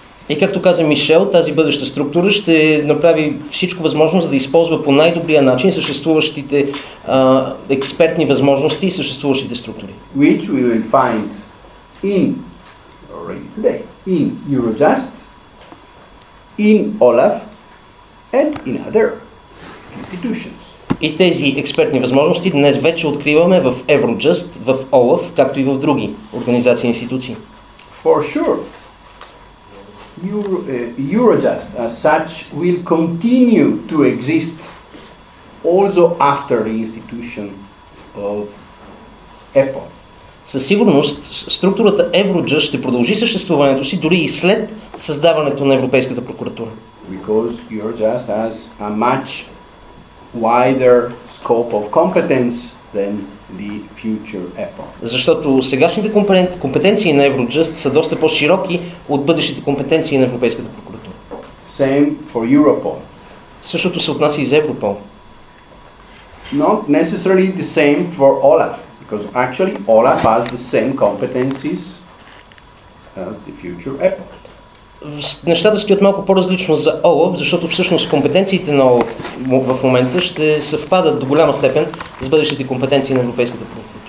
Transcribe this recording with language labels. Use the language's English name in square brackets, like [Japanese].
[Bulgarian] И както каза Мишел, тази бъдеща структура ще направи всичко възможно, за да използва по най-добрия начин съществуващите експертни възможности и съществуващите структури. [English] Which we will find in, already today, in Eurojust, in OLAF, and in other institutions. [Bulgarian] И тези експертни възможности днес вече откриваме в Eurojust, в OLAF, както и в други организации и институции. [English] For sure. Eurojust as such will continue to exist also after the institution of EPO. [Bulgarian] Със сигурност структурата Eurojust ще продължи съществуването си дори и след създаването на Европейската прокуратура. [English] Because Eurojust has a much wider scope of competence than the future EPO. [Bulgarian] Защото сегашните компетенции на Eurojust са доста по-широки от бъдещите компетенции на Европейската прокуратура. [English] Same for Europol. [Bulgarian] Същото се отнася и за Европол. [English] Not necessarily the same for OLAF, because actually OLAF has the same competencies as the future EPO. [Bulgarian] Нещата стоят малко по-различно за OLAF, защото всъщност компетенциите на OLAF в момента ще съвпадат до голяма степен с бъдещите компетенции на Европейската прокуратура.